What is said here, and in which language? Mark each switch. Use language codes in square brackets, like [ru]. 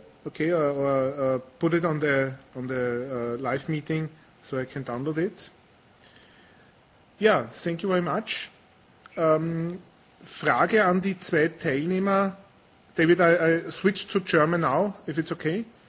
[en] Okay, put it on the live meeting so I can download it. Yeah, thank you very much. [de] Frage an die zwei Teilnehmer. [en] David, I switch to German now, if it's okay.